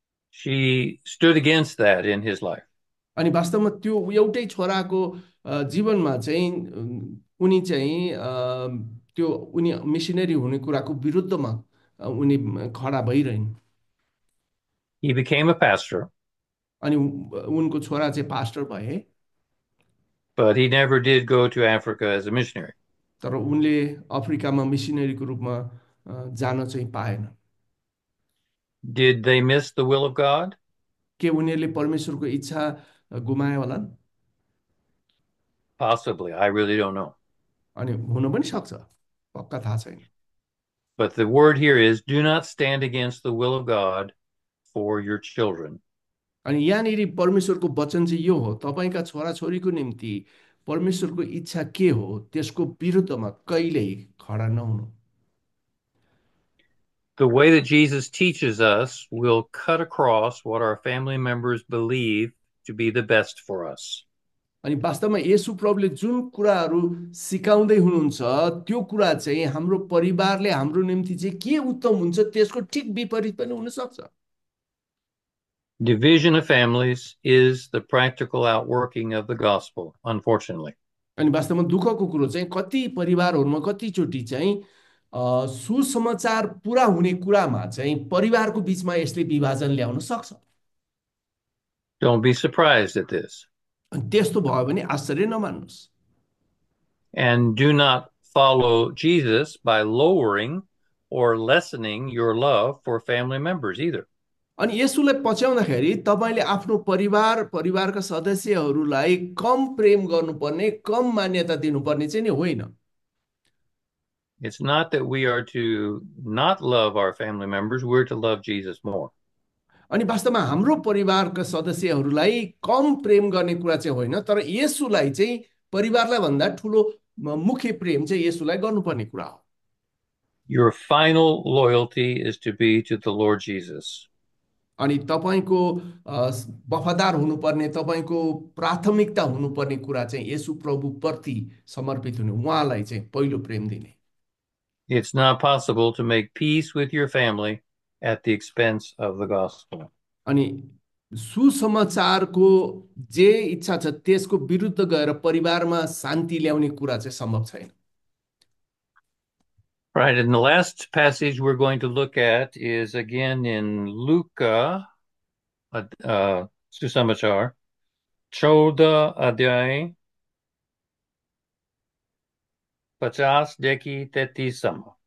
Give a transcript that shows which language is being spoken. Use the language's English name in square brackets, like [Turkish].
[English] She stood against that in his life. [Nepali] अनि वास्तवमा त्यो एउटै छोराको जीवनमा चाहिँ उनी चाहिँ त्यो उनी मिसिनेरी हुने कुराको विरुद्धमा उनी खडा भइरहन्। [English] He became a pastor, [Nepali] अनि उनको छोरा चाहिँ पास्टर भए, [English] but he never did go to Africa as a missionary. [Nepali] तर उनले अफ्रिकामा मिसिनेरीको रूपमा जान चाहिँ पाएन। [English] Did they miss the will of God? [Nepali] के उनीहरूले परमेश्वरको इच्छा गुमाए होलान्? [English] Possibly, I really don't know. [Nepali] अनि हुन पनि सक्छ, पक्का थाहा छैन। [English] But the word here is, do not stand against the will of God for your children. [Nepali] अनि यहाँनिर परमेश्वरको वचन चाहिँ यो हो, तपाईँका छोराछोरीको निम्ति परमेश्वरको इच्छा के हो त्यसको विरुद्धमा कहिल्यै खडा नहुनु। [English] The way that Jesus teaches us will cut across what our family members believe to be the best for us. [Nepali] अनि वास्तवमा येशु प्रभुले जुन कुराहरू सिकाउँदै हुनुहुन्छ त्यो कुरा चाहिँ हाम्रो परिवारले हाम्रो निम्ति चाहिँ के उत्तम हुन्छ त्यसको ठिक विपरीत पनि हुनसक्छ। [English] Division of families is the practical outworking of the gospel, unfortunately. [Nepali] अनि वास्तवमा दुःखको कुरो चाहिँ कति परिवारहरूमा कतिचोटि चाहिँ सुसमाचार पुरा हुने कुरामा चाहिँ परिवारको बिचमा यसले विभाजन ल्याउन सक्छ। [English] Don't be surprised at this. [Nepali] त्यस्तो भयो भने आश्चर्य नमान्नुहोस्। [English] And do not follow Jesus by lowering or lessening your love for family members either. [Nepali] अनि यसुलाई पछ्याउँदाखेरि तपाईँले आफ्नो परिवारका सदस्यहरूलाई कम प्रेम गर्नुपर्ने, कम मान्यता दिनुपर्ने चाहिँ नि होइन। [English] It's not that we are to not love our family members, we're to love Jesus more. [Nepali] अनि वास्तवमा हाम्रो परिवारका सदस्यहरूलाई कम प्रेम गर्ने कुरा चाहिँ होइन, तर येसुलाई चाहिँ परिवारलाई भन्दा ठुलो मुख्य प्रेम चाहिँ येसुलाई गर्नुपर्ने कुरा हो। [English] Your final loyalty is to be to the Lord Jesus. [Nepali] अनि तपाईँको वफादार हुनुपर्ने, तपाईँको प्राथमिकता हुनुपर्ने कुरा चाहिँ येसु प्रभु प्रति समर्पित हुने, उहाँलाई चाहिँ पहिलो प्रेम दिने। [English] It's not possible to make peace with your family at the expense of the gospel. [Nepali] अनि सुसमाचारको जे इच्छा छ त्यसको विरुद्ध गएर परिवारमा शान्ति ल्याउने कुरा चाहिँ सम्भव छैन। [English] Right, and the last passage we're going to look at is again in Luca, [Nepali] Susamachar, 14 Adyay, 50 Deki Tetisam.